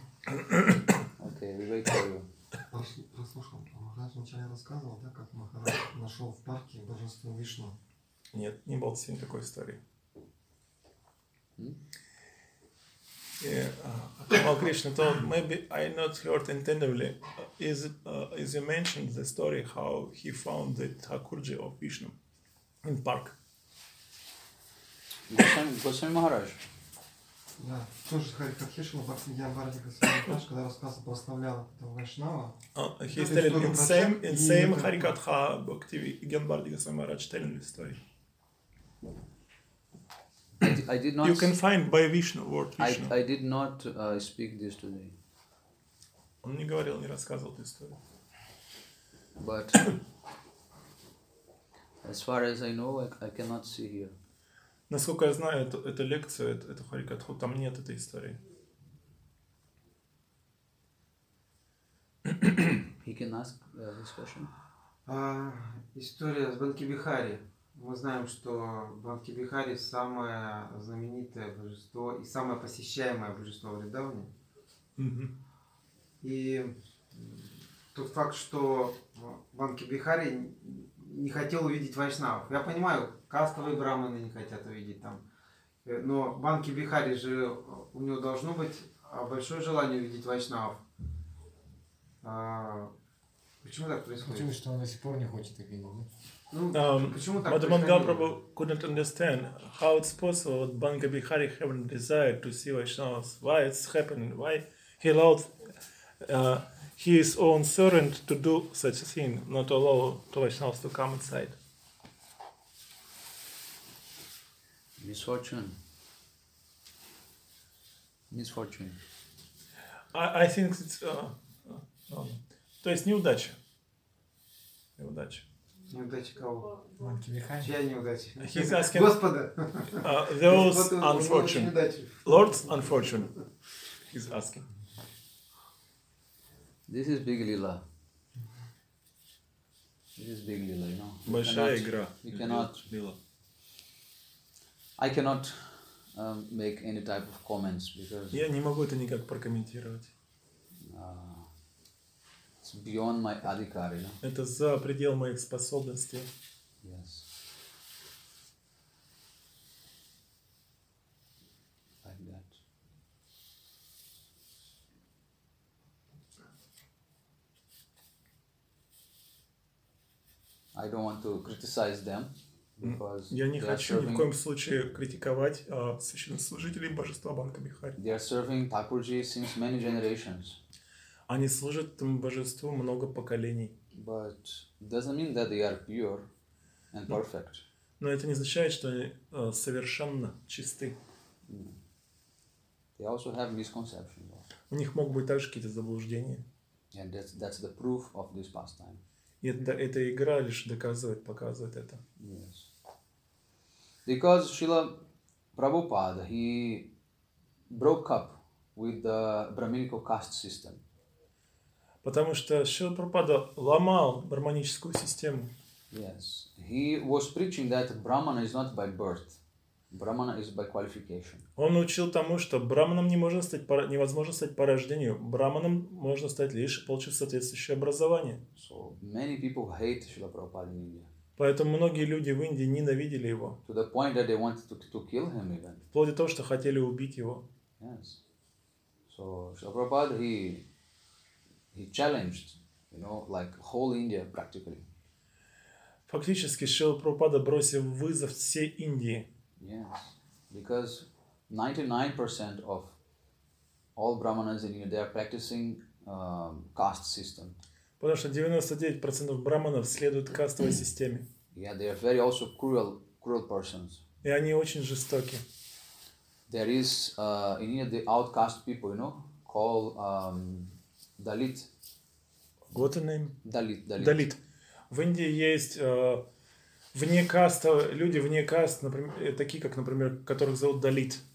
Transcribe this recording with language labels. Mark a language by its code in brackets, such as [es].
[en] Окей, okay, wait for you. [ru] Прослушал. Махарадж вначале рассказывал, да, как Махарадж нашел в парке божество Вишну? Нет, не было сегодня такой истории. [en] Well, Krishna, so maybe I not heard intentionally. Is you mentioned the story how he found the Thakurji of Vishnu in the park? Goswami Maharaj. He's telling in the same Harikatha book TV, Gyanvardhika Goswami Maharaj telling this story. I did not. You can find by Vishnu word Vishnu. I did not speak this today. [ru] Он не говорил, не рассказывал эту историю. [en] But as far as I know, I cannot see here. [ru] Насколько я знаю, эту лекцию, эту харикатху, там нет этой истории. [en] He can ask this question. [ru] История с Банки Бихари. Мы знаем, что Банки Бихари самое знаменитое божество и самое посещаемое божество в Вриндаване. И тот факт, что Банки Бихари не хотел увидеть вайшнавов. Я понимаю, кастовые браманы не хотят увидеть там. Но Банки Бихари же, у него должно быть большое желание увидеть вайшнавов. Почему так происходит? Почему, что он до сих пор не хочет их видеть? [en] But Mangal Prabhu couldn't understand how it's possible that Banki Bihari haven't desired to see Vaishnavas. Why it's happening? Why he allowed his own servant to do such a thing, not allow to Vaishnavas to come inside? Misfortune. I think it's... [ru] То есть неудача. Неудача. Неудача кого? Чья неудача? [en] He's asking, [ru] Господа. [en] Those unfortunate. Lord's unfortunate. He's asking. This is big lila. This is big lila, you know. [ru] Большая игра. [en] You cannot. Lila. I cannot make any type of comments because. [ru] Я не могу это никак прокомментировать. [en] Beyond my adhikari, no? [ru] Это за предел моих способностей. [en] Yes. Like that. I don't want to criticize them because [ru] я не хочу ни в коем случае критиковать священнослужителей божества Банка Бихари. [en] They are serving Thakurji since many generations. [ru] Они служат этому божеству много поколений. [en] But doesn't mean that they are pure and perfect. [ru] Но это не означает, что они совершенно чисты. [en] They also have misconceptions. [ru] У них могут быть также какие-то заблуждения. [en] And that's the proof of this pastime. [ru] И эта игра лишь доказывает, показывает это. [en] Yes. Because Srila Prabhupada, he broke up with the Brahminical caste system. [ru] Потому что Шрила Прабхупада ломал брахманическую систему. [en] Yes. He was preaching that brahmana is not by birth. Brahmana is by qualification. [ru] Он учил тому, что брахманом невозможно стать по рождению. Брахманом можно стать лишь, получив соответствующее образование. [en] So many people hate Шрила Прабхупада in India. [ru] Поэтому многие люди в Индии ненавидели его. [en] To the point that they wanted to kill him even. [ru] Вплоть до того, что хотели убить его. [en] Yes. So Шрила Прабхупада, He challenged, you know, like whole India practically. [ru] Фактически Шрила Прабхупада бросил вызов всей Индии. [en] Yes, because 99% of all brahmanas in India they are practicing caste system. [ru] Потому что 99% брахманов следуют кастовой системе. [en] Yeah, they are very also cruel persons. [ru] И они очень жестоки. [en] There is in India the outcast people, you know, call Dalit. What the name? Dalit. Dalit. [ru] В Индии есть вне каста, люди вне каст, например, такие, как, например, которых зовут Dalit.